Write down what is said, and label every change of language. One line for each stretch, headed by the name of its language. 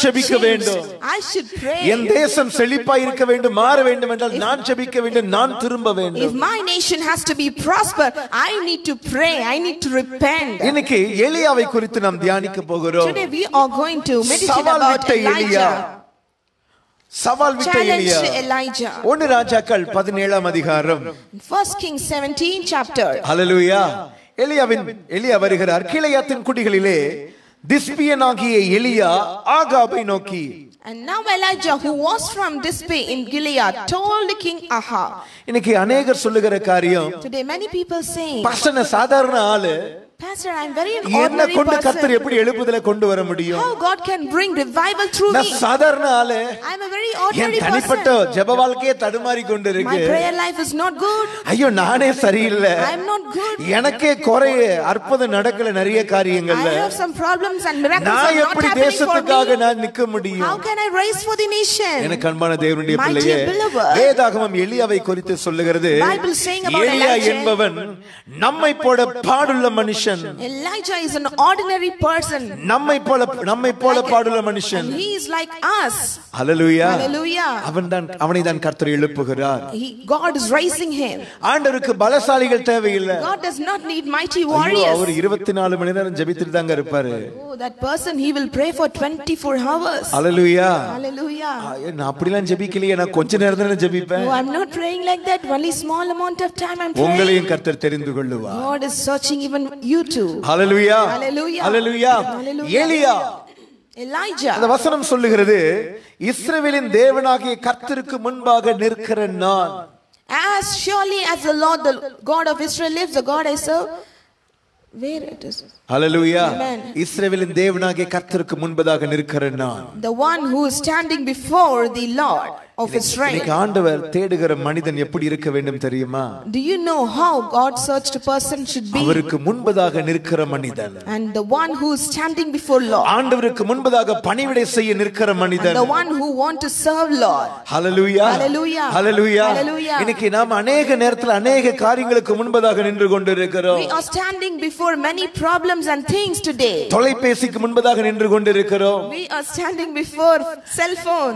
Tamil: ஜெபிக்க வேண்டும் என் தேசம் செழிப்பாயிருக்க வேண்டும் மாற வேண்டும் என்றால் நான் ஜெபிக்க வேண்டும் நான் திரும்ப வேண்டும்
English: If my nation has to be prosper I need to pray I need to repent
Tamil: இன்னைக்கு எலியாவை குறித்து நாம் தியானிக்க போகிறோம்
English: Today we are going to meditate about
Tamil: Elijah சவால் விட்ட எலியா
English: Elijah
Tamil: 1 ராஜாக்கள் 17 அதிகாரம்
English: First Kings 17 chapter
Tamil: Hallelujah எலியா வருகிறார் கீலேயாத்தின் குடிகளிலே திஸ்பியனாகிய எலியா ஆகாபை நோக்கி
English: And now Elijah who was from Thisbe in Gilead told King Ahab
Tamil: இன்னைக்கு அநேகர் சொல்லுகிற காரியம்
English: Today many people saying
Tamil: pastor சாதாரண ஆளு
English: Pastor I'm very ordinary
Tamil: என்ன கொண்டு கர்த்தர் எப்படி எழுப்புதலை கொண்டு வர முடியும்
English: How God can bring revival through me
Tamil: நான் சாதாரண ஆளு
English: I'm a very ordinary person
Tamil: தனிப்பட்ட ஜெப வாழ்க்கையே தடுமாறி கொண்டிருக்கு
English: My prayer life is not good
Tamil: ஐயோ நானே சரியில்லை
English: I'm not good
Tamil: எனக்கே குறையே அற்புதம் நடக்கல நிறைய காரியங்கள்ல
English: I have some problems and miracles
Tamil: நான் எப்படி தேசத்துக்காக நான் நிற்க முடியும்
English: How can I rise for the nation
Tamil: எனக்கு அன்பான தேவனுடைய பிள்ளையே வேதாகமம் எலியாவை குறித்து சொல்லுகிறது
English: Bible saying about
Tamil: எலியா என்பவன் நம்மை போட பாடுள்ள மனுஷன் மனுஷன்.
English: Elijah is an ordinary person.
Tamil: நம்மை போல பாடுள்ள மனுஷன்.
English: He is like us. Hallelujah. Hallelujah.
Tamil: அவனை தான் கர்த்தர் எழுப்புகிறார்.
English: God is raising him.
Tamil: ஆண்டவருக்கு பலசாலிகள் தேவையில்லை.
English: God does not need mighty warriors.
Tamil: அவர் 24 மணி நேரம் ஜெபித்துட்டு தான் இருப்பாரு.
English: That person, he will pray for 24 hours. Hallelujah. Hallelujah.
Tamil: நான் அப்படிலாம் ஜெபிக்கலையே, நான் கொஞ்ச நேரத்துல ஜெபிப்பேன்.
English: No, I'm not praying like that. Only small amount of time I'm praying.
Tamil: உங்களையும் கர்த்தர் தெரிந்து கொள்ளுவார்.
English: God is searching even you too. Hallelujah. Hallelujah. Hallelujah. Elijah. Elijah.
Tamil: அந்த வசனம் சொல்லுகிறது, இஸ்ரவேலின் தேவனாகிய கர்த்தருக்கு முன்பாக நிற்கிற நான்.
English: As surely as the Lord, the God of Israel lives, the God I serve. Where it is? Hallelujah.
Tamil: இஸ்ரவேலின் தேவனாகிய கர்த்தருக்கு முன்பதாக நிற்கிற நான்.
English: The one who is standing before the Lord of Israel.
Tamil: இந்த ஆண்டவர் தேடுகிற மனிதன் எப்படி இருக்க வேண்டும் தெரியுமா?
English: Do you know how God searched a person should be?
Tamil: அவருக்கு முன்பதாக நிற்கிற மனிதன்.
English: And the one who is standing before Lord.
Tamil: ஆண்டவருக்கு முன்பதாக பணிவிடை செய்ய நிற்கிற மனிதன்.
English: The one who want to serve Lord. Hallelujah. Hallelujah. Hallelujah. Hallelujah.
Tamil: இன்னைக்கு நாம் अनेक நேரத்துல अनेक காரியங்களுக்கு முன்பதாக நின்று கொண்டிருக்கிறோம்.
English: We are standing before many problems and things today.
Tamil: தொலைபேசிக்கு முன்பதாக நின்று கொண்டிருக்கிறோம்.
English: We are standing before cell phone.